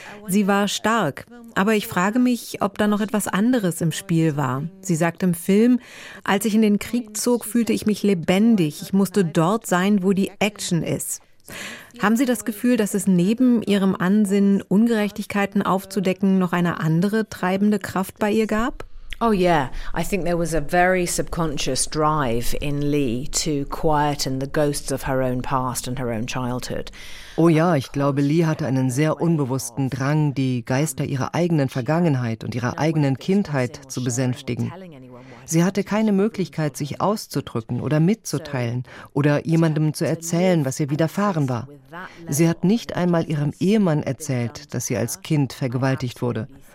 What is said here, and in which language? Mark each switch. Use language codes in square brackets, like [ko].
[de] Sie war stark. Aber ich frage mich, ob da noch etwas anderes im Spiel war. Sie sagt im Film, als ich in den Krieg zog, fühlte ich mich lebendig. Ich musste dort sein, wo die Action ist. Haben Sie das Gefühl, dass es neben Ihrem Ansinnen, Ungerechtigkeiten aufzudecken, noch eine andere treibende Kraft bei ihr gab? [en] Oh yeah, I think there was a very subconscious drive in Lee to quieten the ghosts of her own past and her own childhood. [de] Oh ja, ich glaube, Lee hatte einen sehr unbewussten Drang, die Geister ihrer eigenen Vergangenheit und ihrer eigenen Kindheit zu besänftigen. Sie hatte keine Möglichkeit, sich auszudrücken oder mitzuteilen oder jemandem zu erzählen, was ihr widerfahren war. Sie hat nicht einmal ihrem Ehemann erzählt, dass sie als Kind vergewaltigt wurde.